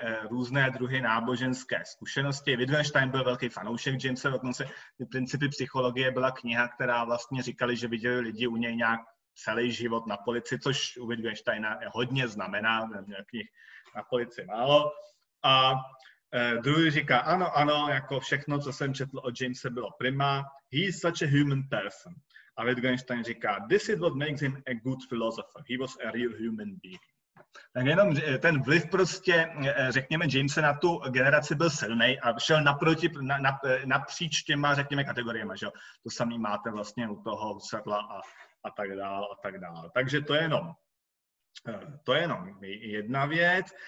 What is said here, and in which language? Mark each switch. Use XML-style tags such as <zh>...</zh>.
<cs>různé druhy náboženské zkušenosti. Wittgenstein byl velký fanoušek Jamese, dokonce Principy psychologie byla kniha, která vlastně říkali, že viděli lidi u něj nějak celý život na polici, což u Wittgensteina hodně znamená, knih na polici málo. A druhý říká, ano, ano, jako všechno, co jsem četl o Jamese, bylo prima.</cs> <en>He is such a human person.</en> <cs>A Wittgenstein říká,</cs> <en>this is what makes him a good philosopher. He was a real human being.</en> <cs>Tak jenom ten vliv prostě, řekněme, Jamese na tu generaci byl silný a šel naproti, napříč těma, řekněme, kategoriema, že jo. To samý máte vlastně u toho Husserla a tak dál, a tak dál. Takže to je jenom jedna věc.</cs>